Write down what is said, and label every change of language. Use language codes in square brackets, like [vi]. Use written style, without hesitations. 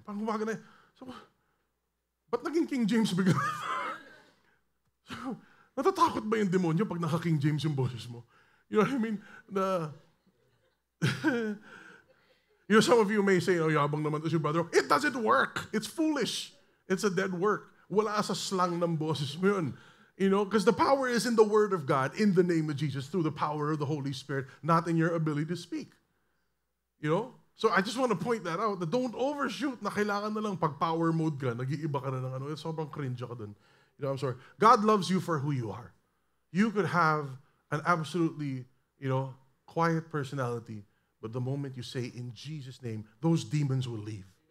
[tl] Parang kumaga na, so, ba't naging King James bigla? So, natatakot ba yung demonyo pag naka-King James yung boses mo? [en] You know what I mean? Na, you know, some of you may say, oh, [tl] yabang naman [en] is your brother. It doesn't work. It's foolish. It's a dead work. [tl] Wala sa slang ng boses mo yun. [en] You know, because the power is in the word of God, in the name of Jesus, through the power of the Holy Spirit, not in your ability to speak. You know? So I just want to point that out, that don't overshoot [tl] na kailangan na lang pag power mode ka, nag-iiba ka na ng ano, sobrang cringe ako dun. [en] You know, I'm sorry. God loves you for who you are. You could have an absolutely, you know, quiet personality, but the moment you say, in Jesus' name, those demons will leave.